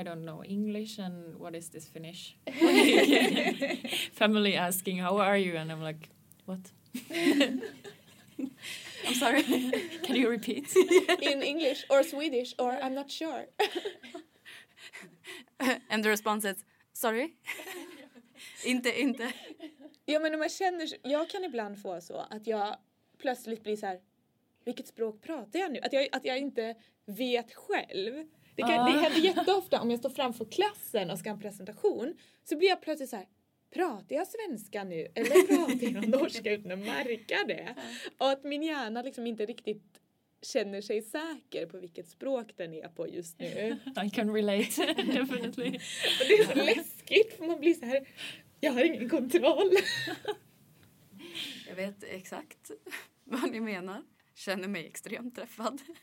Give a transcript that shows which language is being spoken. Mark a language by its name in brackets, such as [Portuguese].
[English] I don't know English. And what is this Finnish? Family asking, how are you? And I'm like, what? I'm sorry. Can you repeat? In English or Swedish or I'm not sure. And the response is, sorry? [Swedish] Inte. Ja, men när man känner, jag kan ibland få så att jag plötsligt blir så här, vilket språk pratar jag nu? Att jag inte vet själv. Det händer jätteofta om jag står framför klassen och ska ha en presentation, så blir jag plötsligt så här, pratar jag svenska nu? Eller pratar jag norska utan att märka det? Och att min hjärna liksom inte riktigt känner sig säker på vilket språk den är på just nu. [English] I can relate, definitely. [Swedish] Och det är så läskigt, för man blir så här, jag har ingen kontroll. Jag vet exakt vad ni menar. Känner mig extremt träffad.